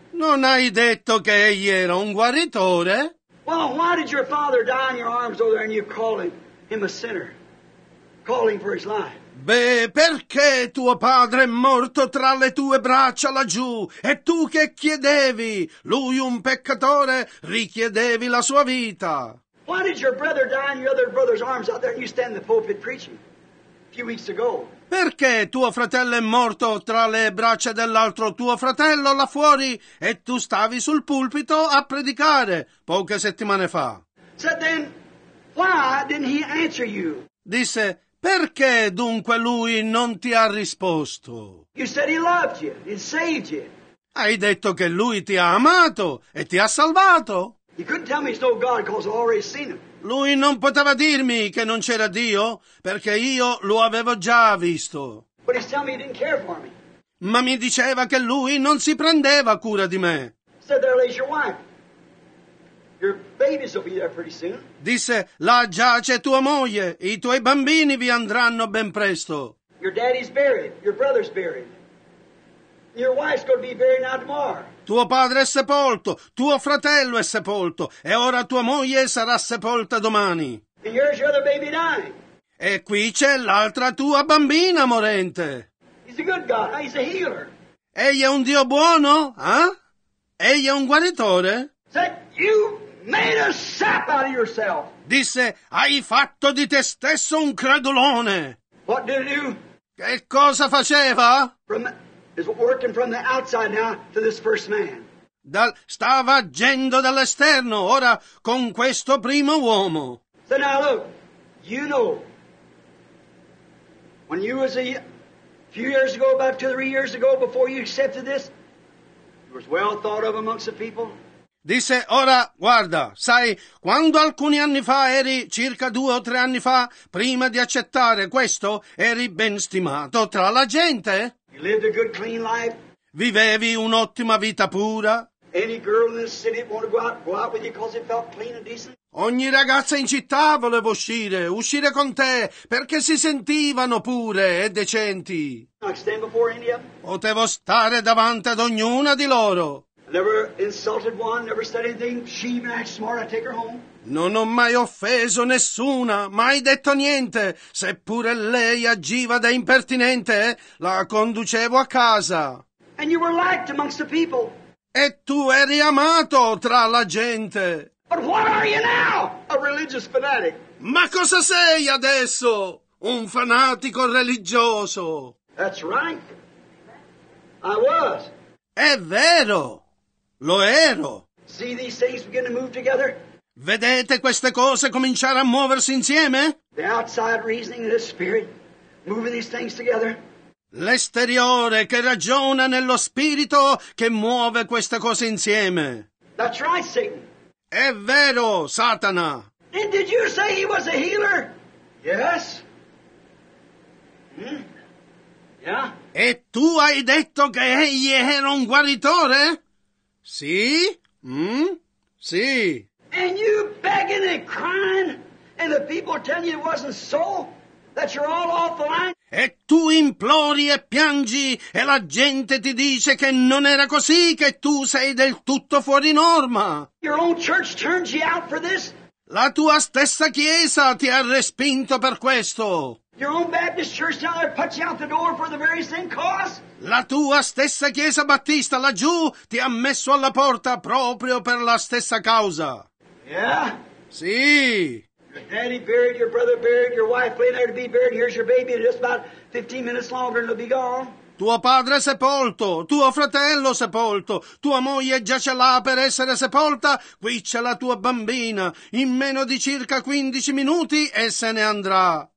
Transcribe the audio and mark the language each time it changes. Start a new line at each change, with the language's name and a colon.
Italian: Non hai detto che egli era un guaritore?
English: Well, why did your father die in your arms over there and you call him a sinner? Calling for his life.
Italian: Beh, perché tuo padre è morto tra le tue braccia laggiù? E tu che chiedevi? Lui un peccatore, richiedevi la sua vita.
English: Why did your brother die in your other brother's arms out there and you stand in the pulpit preaching a few weeks ago?
Italian: Perché tuo fratello è morto tra le braccia dell'altro tuo fratello là fuori e tu stavi sul pulpito a predicare poche settimane fa?
English: Said then, why didn't he answer you?
Italian: Disse, perché dunque lui non ti ha risposto?
English: You said he loved you, he saved you.
Italian: Hai detto che lui ti ha amato e ti ha salvato.
English: You couldn't tell me he's no God because I've already seen him.
Italian: Lui non poteva dirmi che non c'era Dio perché io lo avevo già visto.
English: But he's telling me he didn't care for me.
Italian: Ma mi diceva che lui non si prendeva cura di me.
English: Said there lays your wife. Your babies will be there pretty soon.
Italian: Disse, là giace tua moglie, i tuoi bambini vi andranno ben presto.
English: Your daddy's buried, your brother's buried. Your wife's going to be buried now tomorrow.
Italian: Tuo padre è sepolto, tuo fratello è sepolto, e ora tua moglie sarà sepolta domani.
English: And here's your other baby dying.
Italian: E qui c'è l'altra tua bambina morente.
English: He's a good God, he's a healer.
Italian: Egli è un Dio buono, eh? Egli è un guaritore.
English: Said, you made a sap out of yourself.
Italian: Disse, hai fatto di te stesso un credulone.
English: What did you?
Italian: Che cosa faceva?
English: Is working from the outside now to this first man.
Italian: Stava agendo dall'esterno ora con questo primo uomo.
English: So now look, you know, when you was a few years ago, about 2 or 3 years ago, before you accepted this, you was well thought of amongst the people.
Italian: Disse, ora, guarda, sai, quando alcuni anni fa eri, circa 2 o 3 anni fa, prima di accettare questo, eri ben stimato tra la gente.
English: You lived a good, clean life.
Italian: Vivevi un'ottima vita pura.
English: Any girl in the city wanted to go out with you because it felt clean and decent.
Italian: Ogni ragazza in città voleva uscire con te perché si sentivano pure e decenti.
English: I stand before any of them.
Italian: Potevo stare davanti ad ognuna di loro.
English: Never insulted one, never said anything. She even acted smart, I take her home.
Italian: Non ho mai offeso nessuna, mai detto niente. Seppure lei agiva da impertinente, la conducevo a casa.
English: And you were liked amongst the people.
Italian: E tu eri amato tra la gente.
English: But what are you now? A religious fanatic.
Italian: Ma cosa sei adesso? Un fanatico religioso.
English: That's right. I was.
Italian: È vero. Lo ero.
English: See these things begin to move together?
Italian: Vedete queste cose cominciare a muoversi insieme?
English: The outside reasoning of the spirit moving these things together.
Italian: L'esteriore che ragiona nello spirito che muove queste cose insieme.
English: That's right, Satan.
Italian: È vero, Satana.
English: And did you say he was a healer? Yes. Yeah.
Italian: E tu hai detto che egli era un guaritore? Sì? Sì.
English: And you begging and crying, and the people telling you it wasn't so, that you're all off the line.
Italian: E tu implori e piangi, e la gente ti dice che non era così, che tu sei del tutto fuori norma.
English: Your own church turns you out for this?
Italian: La tua stessa chiesa ti ha respinto per questo.
English: Your own Baptist church down there puts you out the door for the very same cause?
Italian: La tua stessa chiesa battista laggiù ti ha messo alla porta proprio per la stessa causa.
English: Yeah?
Italian: Sì.
English: Your daddy buried, your brother buried, your wife laying there to be buried, here's your baby, and just about 15 minutes longer and it'll be gone.
Italian: Tuo padre sepolto, tuo fratello sepolto, tua moglie giace là per essere sepolta, qui c'è la tua bambina, in meno di circa 15 minuti e se ne andrà.